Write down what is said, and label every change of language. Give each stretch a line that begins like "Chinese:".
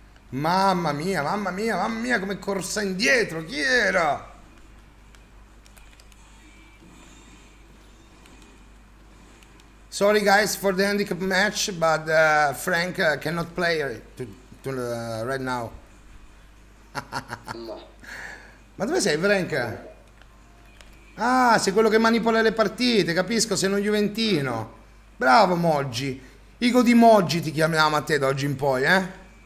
Italian: Mamma mia, mamma mia, mamma mia, come corsa indietro, chi era?
English: Sorry guys for the handicap match, but Frank cannot play right now.
Italian: No. Ma dove sei, Frank? Ah, sei quello che manipola le partite, capisco, sei un juventino. Bravo Moggi. Igo di Moggi ti chiamiamo a te da oggi in poi, eh?